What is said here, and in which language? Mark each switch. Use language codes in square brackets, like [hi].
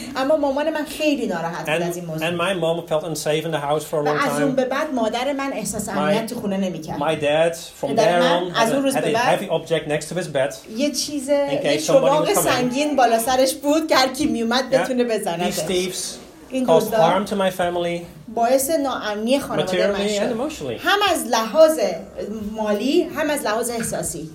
[fa] اما مامان من خیلی ناراحت بود از این موضوع. [en] And my mom felt unsafe in the house for a long time. [fa] از اون به بعد مادر من احساس امنیت تو خونه نمی‌کرد. [en] My dad from there on had a heavy object next to his bed. [fa] یه چیز چوب سنگین بالا سرش بود که هر کی میومد بتونه بزنه. [en] These thieves caused harm to my family. [fa] باعث ناامنی خانواده من شد. هم از لحاظ مالی هم از لحاظ احساسی.